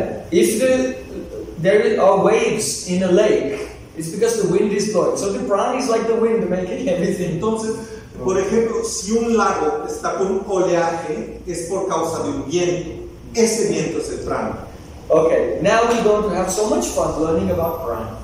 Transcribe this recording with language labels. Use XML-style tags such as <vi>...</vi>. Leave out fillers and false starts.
<en>If there are waves in a lake, it's because the wind is blowing. So the prana is like the wind, making everything.</en> <es>Entonces, por ejemplo, si un lago está con oleaje, es por causa de un viento. Ese viento es el prana.</es> <en>Okay, now we're going to have so much fun learning about prana.</en>